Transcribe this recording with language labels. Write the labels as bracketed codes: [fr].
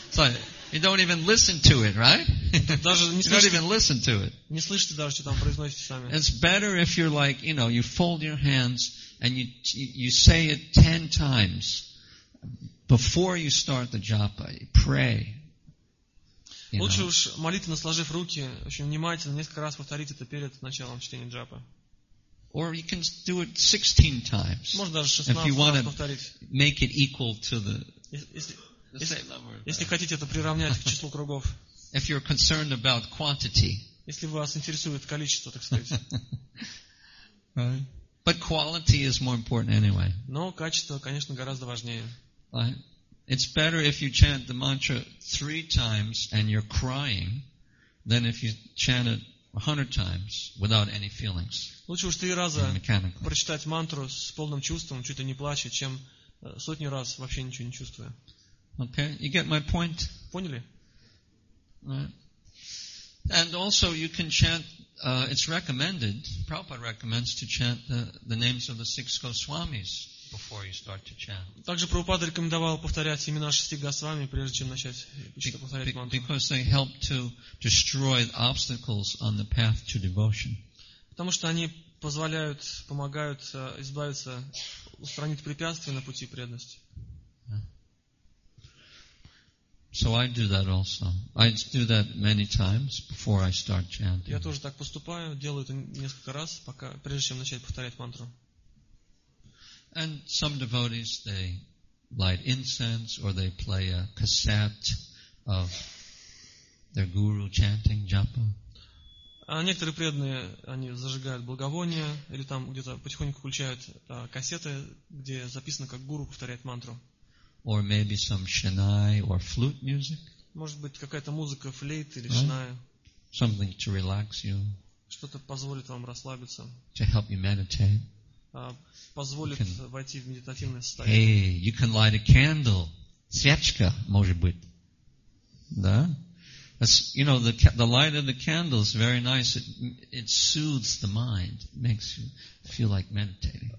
[en] So you don't even listen to it, right? It's better if you're like, you know, you fold your hands and you say it 10 times before you start the japa. Pray. [ru] Лучше уж молитвенно сложив руки, очень внимательно несколько раз повторить это перед началом чтения джапы. [en] Or you can do it 16 times. [ru] Можно даже 16 раз повторить. [en] If you want to make it equal to the same number. [ru] Если хотите это приравнять к числу кругов. [en] If you're concerned about quantity. [ru] Если вас интересует количество, так сказать. [en] Right. But quality is more important anyway. [ru] Но качество, конечно, гораздо важнее. [en] Right. It's better if you chant the mantra 3 times and you're crying than if you chant it 100 times without any feelings. [ru] Лучше уж 3 раза прочитать мантру с полным чувством, чуть ли не плача, чем сотню раз вообще ничего не чувствуя. [en] Okay, you get my point? [ru] Поняли? [en] Right. And also you can chant, it's recommended, Prabhupada recommends to chant the names of the 6 Goswamis before you start to chant. [ru] Также Прабхупада рекомендовал повторять имена 6 Госвами, прежде чем начать повторять мантру. [en] Because they help to destroy obstacles on the path to devotion. [ru] Потому что они позволяют, помогают избавиться, устранить препятствия на пути преданности. [en] So I do that also. I do that many times before I start chanting. [ru] Я тоже так поступаю, делаю это несколько раз, пока, прежде чем начать повторять мантру. [en] And some devotees, they light incense or they play a cassette of their guru chanting japa. [ru] А некоторые преданные, они зажигают благовония или там где-то потихоньку включают кассеты, где записано, как гуру повторяет мантру. [en] Or maybe some shanai or flute music. [ru] Может быть, какая-то музыка, флейт или шанай. [en] Something to relax you. [ru] Что-то позволит вам расслабиться. [en] To help you meditate. [ru] Позволит войти в медитативное состояние. [en] Hey, you can light a candle. [ru] Свечка, может быть. Да? [en] That's, you know, the light of the candle is very nice. It soothes the mind, makes you feel like meditating.